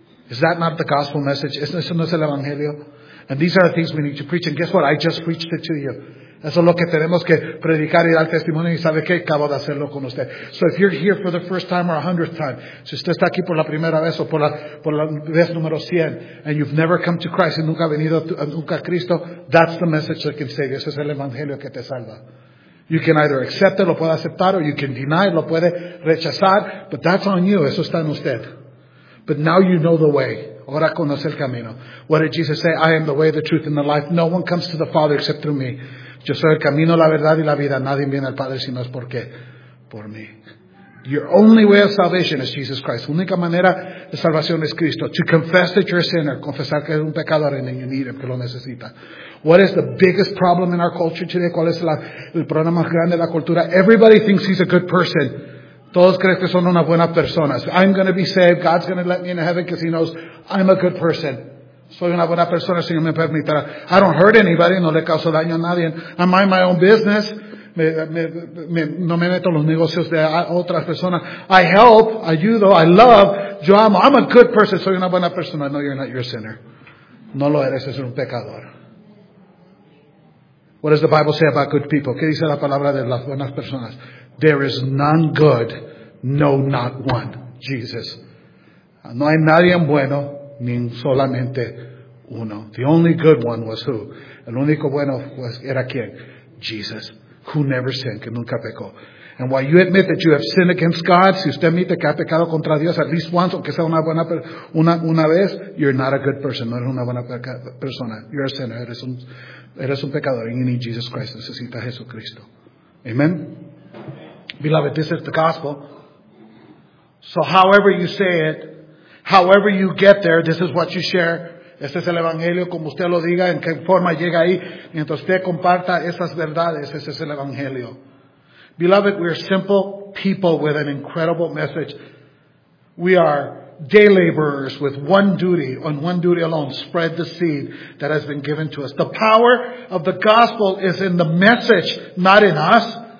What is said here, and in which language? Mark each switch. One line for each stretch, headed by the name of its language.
English: Is that not the gospel message?
Spanish: ¿Eso no es el evangelio?
English: And these are the things we need to preach. And guess what? I just preached it to you.
Spanish: Eso es lo que tenemos que predicar y dar testimonio. ¿Y sabe qué? Acabo de hacerlo con usted.
English: So if you're here for the first time or 100th time,
Spanish: si usted está aquí por la primera vez o por la vez número 100,
English: and you've never come to Christ,
Spanish: y nunca ha venido nunca a Cristo,
English: that's the message that can save you.
Spanish: Ese es el evangelio que te salva.
English: You can either accept it,
Spanish: lo puede aceptar,
English: or you can deny it,
Spanish: lo puede rechazar,
English: but that's on you.
Spanish: Eso está en usted.
English: But now you know the way.
Spanish: Ahora conoce el camino.
English: What did Jesus say? I am the way, the truth, and the life. No one comes to the Father except through me.
Spanish: Yo soy el camino, la verdad y la vida. Nadie viene al Padre si no es por qué. Por mí.
English: Your only way of salvation is Jesus Christ.
Spanish: Única manera de salvación es Cristo.
English: To confess that you're a sinner.
Spanish: Confesar que eres un pecador
English: and you need him,
Spanish: que lo necesita.
English: What is the biggest problem in our culture today?
Spanish: ¿Cuál es el problema más grande de la cultura?
English: Everybody thinks he's a good person.
Spanish: Todos creen que son una buena persona.
English: I'm going to be saved. God's going to let me into heaven because he knows I'm a good person.
Spanish: Soy una buena persona, si me permitirá.
English: I don't hurt anybody.
Spanish: No le causo daño a nadie.
English: I mind my own business.
Spanish: No me meto en los negocios de otras personas.
English: I help.
Spanish: Ayudo.
English: I love.
Spanish: Yo amo.
English: I'm a good person.
Spanish: Soy una buena persona.
English: No, you're not. You're a sinner.
Spanish: No lo eres. Es un pecador.
English: What does the Bible say about good people?
Spanish: ¿Qué dice la palabra de las buenas personas?
English: There is none good, no, not one, Jesus.
Spanish: No hay nadie bueno, ni solamente uno.
English: The only good one was who?
Spanish: El único bueno era quién? Jesus,
English: who never sinned,
Spanish: que nunca pecó.
English: And while you admit that you have sinned against God,
Spanish: si usted admite que ha pecado contra Dios
English: at least once,
Spanish: aunque sea una vez,
English: you're not a good person,
Spanish: no eres una buena persona.
English: You're a sinner,
Spanish: eres un pecador,
English: and you need Jesus Christ,
Spanish: necesita Jesucristo.
English: Amen? Beloved, this is the gospel. So however you say it, however you get there, this is what you share.
Spanish: Este es el evangelio, como usted lo diga, en qué forma llega ahí. Mientras usted comparta esas verdades, ese es el evangelio.
English: Beloved, we are simple people with an incredible message. We are day laborers with one duty alone, spread the seed that has been given to us. The power of the gospel is in the message, not in us.